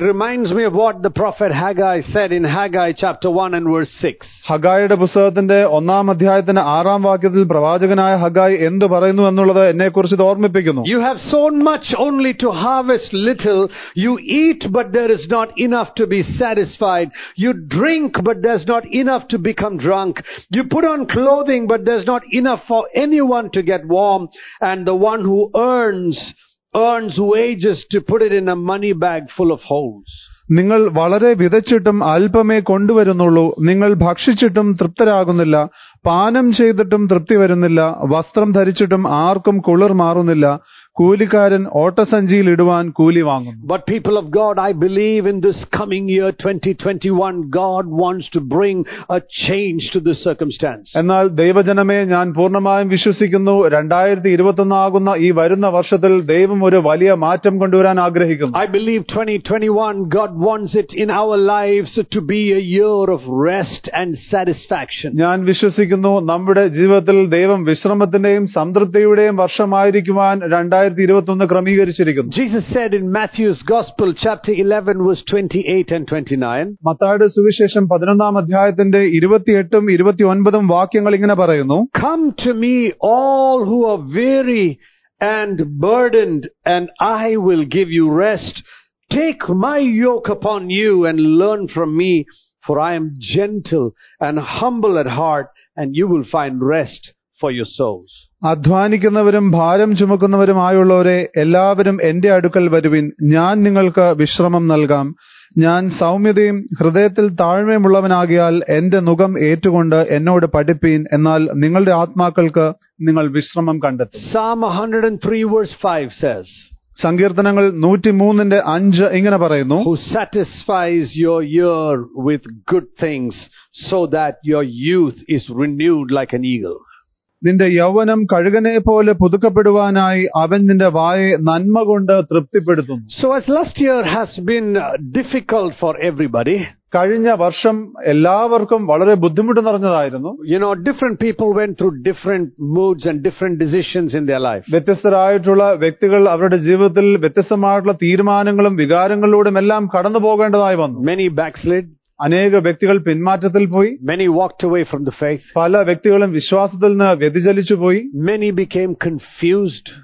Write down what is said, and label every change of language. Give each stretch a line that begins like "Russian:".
English: It reminds me of what the prophet Haggai said in Haggai chapter 1 and verse 6.
Malayalam: ഹഗ്ഗായിയുടെ പുസ്തകത്തിന്റെ ഒന്നാം അധ്യായത്തിന്റെ ആറാം വാക്യത്തിൽ പ്രവാചകനായ ഹഗ്ഗായി എന്ത് പറയുന്നു എന്നുള്ളത് എന്നെ കുറിച്ച് ഇത് ഓർമ്മിപ്പിക്കുന്നു.
English: You have sown much only to harvest little. You eat but there is not enough to be satisfied. You drink but there's not enough to become drunk. You put on clothing but there's not enough for anyone to get warm. And the one who earns wages to put it in a money bag full of holes.
Malayalam: നിങ്ങൾ വളരെ വിതച്ചിട്ടും അല്പമേ കൊണ്ടുവരുന്നുള്ളൂ. നിങ്ങൾ ഭക്ഷിച്ചിട്ടും തൃപ്തരാകുന്നില്ല. പാനം ചെയ്തിട്ടും തൃപ്തി വരുന്നില്ല. വസ്ത്രം ധരിച്ചിട്ടും ആർക്കും കുളിർ മാറുന്നില്ല. കൂലിക്കാരൻ ഓട്ടസഞ്ചിയിൽ ഇടുവാൻ കൂലി വാങ്ങുന്നു.
English: But people of God, I believe in this coming year 2021, God wants to bring a change to this circumstance.
Malayalam: എന്നാൽ ദൈവജനമേ, ഞാൻ പൂർണ്ണമായും വിശ്വസിക്കുന്നു 2021 ആകുന്ന ഈ വരുന്ന വർഷത്തിൽ ദൈവം ഒരു വലിയ മാറ്റം കൊണ്ടുവരാൻ ആഗ്രഹിക്കുന്നു.
English: I believe 2021, God wants it in our lives to be a year of rest and satisfaction.
Malayalam: ഞാൻ വിശ്വസിക്കുന്നു നമ്മുടെ ജീവിതത്തിൽ ദൈവം വിശ്രമത്തിന്റെയും സംതൃപ്തിയുടെയും വർഷമായിരിക്കുവാൻ 2021 ക്രമീകരിച്ചിരിക്കുന്നു.
English: Jesus said in Matthew's Gospel chapter 11 verse 28 and 29.
Malayalam: മത്തായിയുടെ സുവിശേഷം 11-ാം അധ്യായത്തിന്റെ 28-ഉം 29-ഉം വാക്യങ്ങൾ ഇങ്ങനെ പറയുന്നു.
English: Come to me all who are weary and burdened and I will give you rest. Take my yoke upon you and learn from me, for I am gentle and humble at heart, and you will find rest for your souls.
Malayalam: അധ്വാനിക്കുന്നവരും ഭാരം ചുമക്കുന്നവരും ആയുള്ളവരെ, എല്ലാവരും എന്റെ അടുക്കൽ വരുവിൻ, ഞാൻ നിങ്ങൾക്ക് വിശ്രമം നൽകാം. ഞാൻ സൗമ്യതയും ഹൃദയത്തിൽ താഴ്മയുമുള്ളവനാകിയാൽ എന്റെ നുഖം ഏറ്റുകൊണ്ട് എന്നോട് പഠിപ്പീൻ, എന്നാൽ നിങ്ങളുടെ ആത്മാക്കൾക്ക് നിങ്ങൾ വിശ്രമം കണ്ടെത്തും.
English: Psalm 103 verse 5 says,
Malayalam: സങ്കീർത്തനങ്ങൾ 103:5 ഇങ്ങനെ പറയുന്നു.
English: Who satisfies your year with good things so that your youth is renewed like an eagle.
Malayalam: നിന്റെ യൗവനം കഴുകനെ പോലെ പുതുക്കപ്പെടുവാനായി അവൻ നിന്റെ വായെ നന്മ കൊണ്ട് തൃപ്തിപ്പെടുത്തുന്നു.
English: So as last year has been difficult for everybody.
Malayalam: കഴിഞ്ഞ വർഷം എല്ലാവർക്കും വളരെ ബുദ്ധിമുട്ട് നിറഞ്ഞതായിരുന്നു.
English: You know, different people went through different moods and different decisions in their life.
Malayalam: വ്യത്യസ്തരായിട്ടുള്ള വ്യക്തികൾ അവരുടെ ജീവിതത്തിൽ വ്യത്യസ്തമായിട്ടുള്ള തീരുമാനങ്ങളും വികാരങ്ങളിലൂടെ എല്ലാം കടന്നു പോകേണ്ടതായി വന്നു.
English: Many backslid.
Malayalam: അനേക വ്യക്തികൾ പിന്മാറ്റത്തിൽ പോയി.
English: Many walked away from the faith.
Malayalam: പല വ്യക്തികളും വിശ്വാസത്തിൽ നിന്ന് വ്യതിചലിച്ചു പോയി.
English: Many became confused.